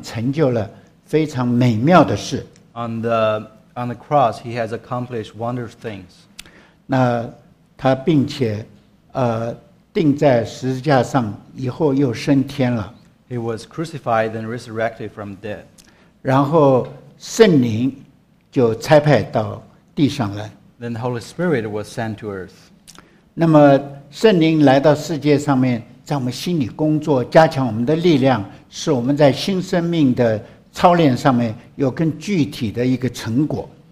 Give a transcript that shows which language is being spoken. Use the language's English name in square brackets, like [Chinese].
[Chinese] 他在十字架上面成就了非常美妙的事。 [English] On the cross, he has accomplished wondrous things. [Chinese] 那他并且, 钉在十字架上以后又升天了。 [English] He was crucified and resurrected from death. [Chinese] 然后圣灵就差派到地上来。 [English] Then the Holy Spirit was sent to earth. [Chinese] 那么圣灵来到世界上面, 在我们心里工作, 加强我们的力量, 使我们在新生命的操练上面有更具体的一个成果。